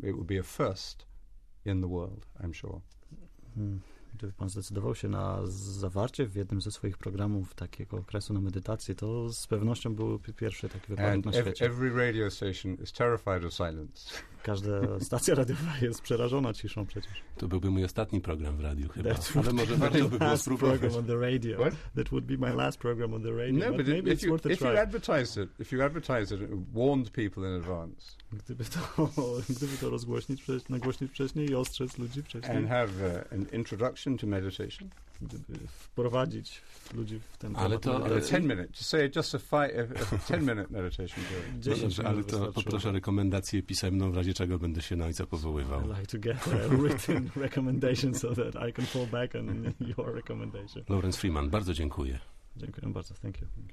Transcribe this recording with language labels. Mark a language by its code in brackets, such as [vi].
[en] It would be a first in the world, I'm sure. [pl] Gdyby pan zdecydował się na zawarcie w jednym ze swoich programów takiego okresu na medytację, to z pewnością byłby pierwszy taki wypadek [en] and [pl] na świecie. [en] Every radio station is terrified of silence. [pl] każda stacja radiowa jest przerażona ciszą przecież. To byłby mój ostatni program w radiu chyba, ale może warto by było spróbować. [en] On the radio. What? That would be my last program on the radio. No, but maybe it's worth a try. If you advertise it, warned people in advance. [pl] Gdyby to nagłośnić wcześniej i ostrzec ludzi wcześniej. [en] And have an introduction to meditation. [pl] Gdyby wprowadzić ludzi w ten temat. Ale to... Ale 10 minut. [en] To say just a 10-minute meditation. [pl] Ale to poproszę rekomendację pisemną, w razie czego będę się na ojca powoływał. [en] I'd like to get a written recommendation so that I can fall back on your recommendation. [pl] Lawrence Freeman, bardzo dziękuję. Dziękuję bardzo. [en] Thank you.